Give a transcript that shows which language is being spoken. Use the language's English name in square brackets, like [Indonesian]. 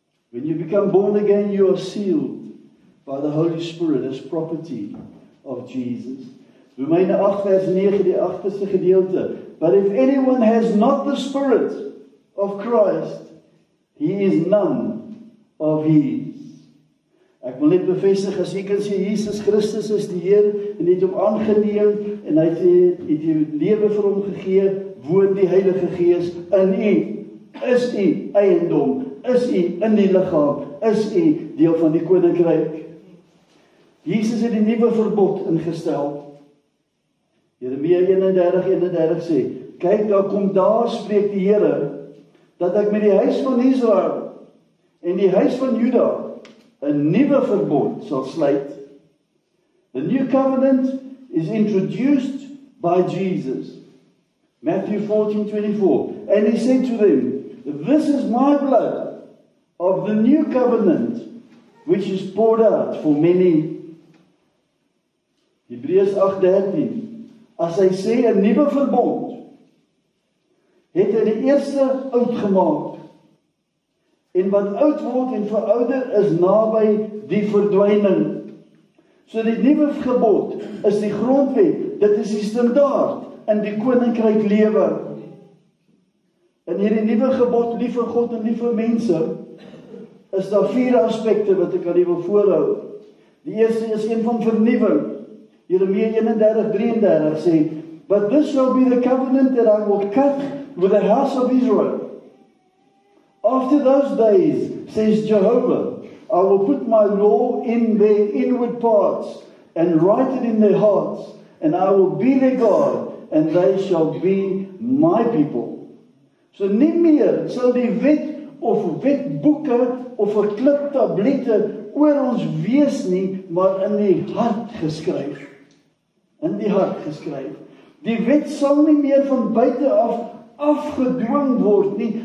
[English] When you become born again, you are sealed by the Holy Spirit as property of Jesus. [Afrikaans] Romeine 8 vers 9, die agterste gedeelte. [English] But if anyone has not the Spirit of Christ, he is none of his. [Afrikaans] Ek wil net bevestig, as jy kan sê, Jesus Christus is die Heer, en het hom aangeneem, en hy het die lewe vir hom gegee, woon die Heilige Gees in u, is u eiendom, is u in die liggaam, is u deel van die Koninkryk. Jesus het die nuwe verbod ingestel. Jeremia 31:31 sê, kyk, daar kom daar, spreek die Here, dat ek met die huis van Israel en die huis van Juda 'n nuwe verbond sal sluit. [English] The new covenant is introduced by Jesus. Matthew 14:24. And he said to them, this is my blood of the new covenant which is poured out for many. [Afrikaans] Hebreërs 8:13. As hy sê 'n nuwe verbond, het hy die eerste oud gemaak. En wat oud word en verouder is naby die verdwyning. So die nuwe gebod is die grondwet. Dit is die standaard in die koninkryk lewe. In hierdie nuwe gebod, lief vir God en lief vir mense, is daar vier aspekte wat ek aan u wil voorhou. Die eerste is een van vernuwing. Jeremia 31:33 sê, [English] but this shall be the covenant that I will cut with the house of Israel. After those days, says Jehovah, I will put my law in their inward parts and write it in their hearts, and I will be their God, and they shall be my people. [Afrikaans] So nie meer sal die wet of wetboeke of verkliptablette oor ons wees nie, maar in die hart geskryf. In die hart geskryf. Die wet sal nie meer van buite af afgedwing word nie.